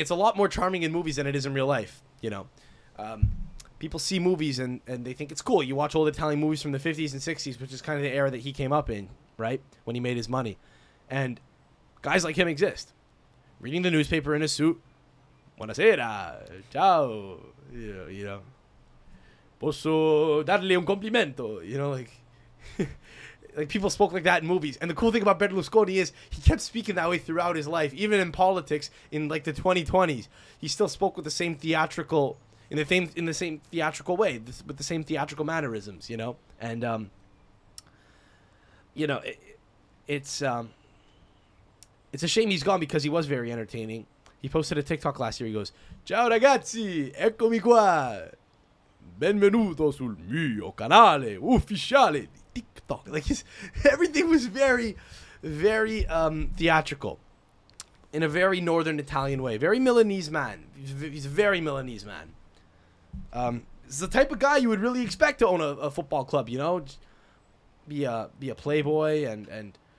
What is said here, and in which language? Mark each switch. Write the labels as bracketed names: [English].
[English] It's a lot more charming in movies than it is in real life, you know. People see movies and they think it's cool. You watch old Italian movies from the 50s and 60s, which is kind of the era that he came up in, right, when he made his money. And guys like him exist. Reading the newspaper in a suit. [Italian] Buonasera. Ciao. [English] You know. [Italian] Posso darle un complimento. [English] You know, like, like people spoke like that in movies. And the cool thing about Berlusconi is he kept speaking that way throughout his life, even in politics in, like, the 2020s. He still spoke with the same theatrical... In the same theatrical way, with the same theatrical mannerisms, you know? And, you know, it's a shame he's gone because he was very entertaining. He posted a TikTok last year. He goes, [Italian] "Ciao ragazzi, eccomi qua. Benvenuto sul mio canale ufficiale di TikTok." [English] Like, everything was very, very theatrical. In a very northern Italian way. Very Milanese man. He's a very Milanese man. He's the type of guy you would really expect to own a football club, you know, be a playboy and